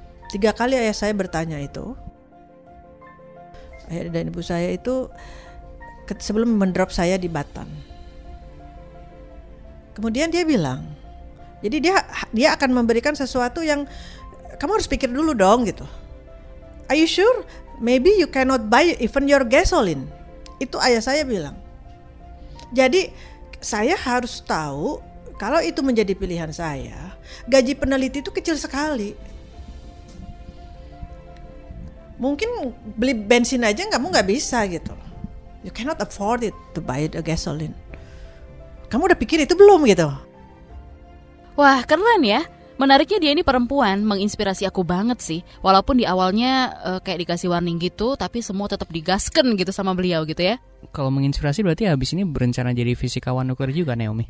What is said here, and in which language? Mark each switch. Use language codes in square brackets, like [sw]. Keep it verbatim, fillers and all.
[id] Tiga kali ayah saya bertanya itu. Ayah dan ibu saya itu sebelum mendrop saya di Batam. Kemudian dia bilang, jadi dia dia akan memberikan sesuatu yang kamu harus pikir dulu dong gitu. [en] "Are you sure? Maybe you cannot buy even your gasoline." [id] Itu ayah saya bilang. Jadi saya harus tahu kalau itu menjadi pilihan saya, gaji peneliti itu kecil sekali. Mungkin beli bensin aja kamu nggak bisa gitu. [en] You cannot afford it to buy the gasoline. [id] Kamu udah pikir itu belum gitu? Wah, keren ya. Menariknya dia ini perempuan, menginspirasi aku banget sih. Walaupun di awalnya uh, kayak dikasih warning gitu, tapi semua tetap digasken gitu sama beliau gitu ya. Kalau menginspirasi berarti habis ini berencana jadi fisikawan nuklir juga, Naomi?